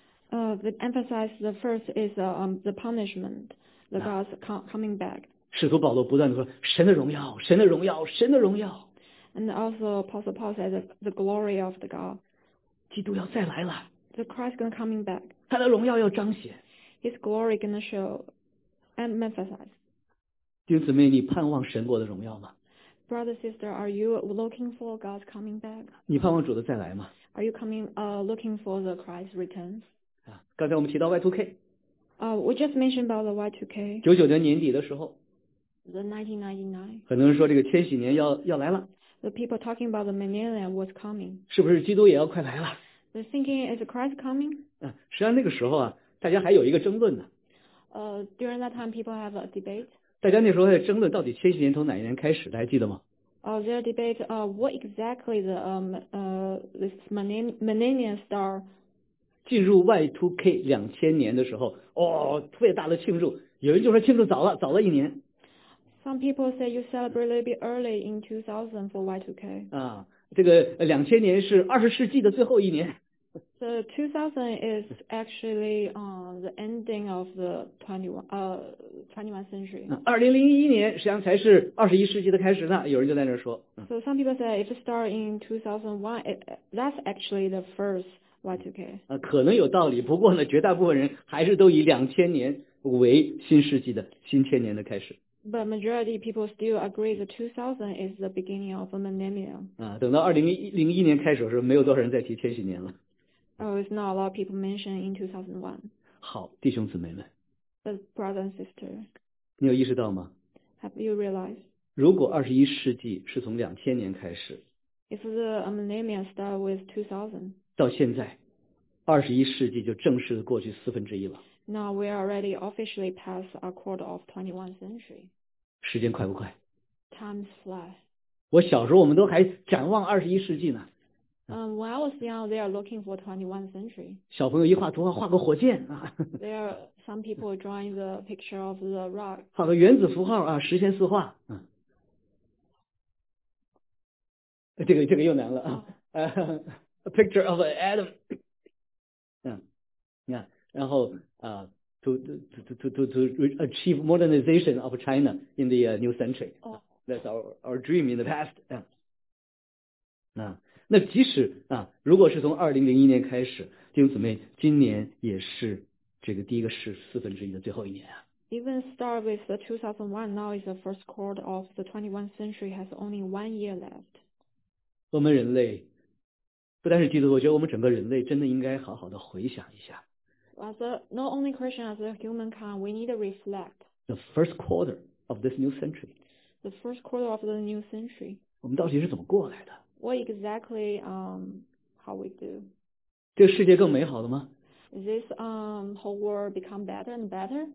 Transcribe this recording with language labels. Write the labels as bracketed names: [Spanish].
[English] The emphasize the first is the punishment, the God's coming back. [Chinese] 使徒保罗不断的说：“神的荣耀，神的荣耀，神的荣耀。” [English] And also Apostle Paul said the glory of the God. [Chinese] 基督要再来了。 [English] The Christ gonna coming back. [Chinese] 他的荣耀要彰显。 [English] His glory gonna show and emphasize. [Chinese] 弟兄姊妹，你盼望神国的荣耀吗？ [English] Brother, sister, are you looking for God's coming back? [Chinese] 你盼望主的再来吗？ [English] Are you coming, looking for the Christ's return? [Chinese] 刚才我们提到 Y2K. [English] We just mentioned about the Y2K. [Chinese] 99年年底的时候。 [English] The 1999. [Chinese] 很多人说这个千禧年要来了。 [English] The people talking about the millennium was coming. [Chinese] 是不是基督也要快来了？ [English] They're thinking, is Christ coming? [Chinese] 实际上那个时候啊，大家还有一个争论呢。 [English] During that time, people have a debate. [Chinese] 大家那时候在争论到底千禧年从哪一年开始，大家记得吗？ [English] There's a debate, what exactly the, this millennium star? [Chinese] 进入 Y2K 2000年的时候，哦，特别大的庆祝，有人就说庆祝早了，早了一年。 [English] Some people say you celebrate a little bit early in 2000 for Y2K. [Chinese] 啊，这个2000年是20世纪的最后一年。 [English] The 2000 is actually the ending of the 21st century. [Chinese] 2001年实际上才是21世纪的开始呢，有人就在那说。 [English] So some people say if you start in 2001, that's actually the first Y2K. [Chinese] 可能有道理，不过呢，绝大部分人还是都以2000年为新世纪的新千年的开始。 [English] But majority people still agree the 2000 is the beginning of a millennium. [Chinese] 等到2001年开始的时候，没有多少人再提千禧年了。 [English] It's not a lot of people mentioned in 2001. [Chinese] 好，弟兄姊妹们。 [English] But brother and sister. [Chinese] 你有意识到吗？ [English] Have you realized? [Chinese] 如果21世纪是从2000年开始。 [English] If the millennium started with 2000. [Chinese] 到现在，21世纪就正式的过去四分之一了。 [English] Now we are already officially past a quarter of 21st century. [Chinese] 时间快不快？ [English] Times fly. [Chinese] 我小时候我们都还展望21世纪呢。 [English] When I was young, they are looking for 21st century. [Chinese] 小朋友一画图画个火箭啊。 [English] There are some people drawing the picture of the rock. [Chinese] 画个原子符号啊，实现四化。这个又难了啊。 [English] A picture of an atom. [Chinese] 你看。 [English] 然后to achieve modernization of China in the new century. That's our dream in the past. [Chinese] 那即使如果是从2001年开始，弟兄姊妹，今年也是这个第一个是四分之一的最后一年啊。 [English] Even start with the 2001, now is the first quarter of the 21st century has only 1 year left. [Chinese] 我们人类不单是基督徒，我觉得我们整个人类真的应该好好的回想一下。 [English] As a not only Christian, as a humankind, we need to reflect. The first quarter of this new century. The first quarter of the new century. [Chinese] 我们到底是怎么过来的？ [English] What exactly, how we do? [Chinese] 这个世界更美好了吗？ [English] Is this, whole world become better and better?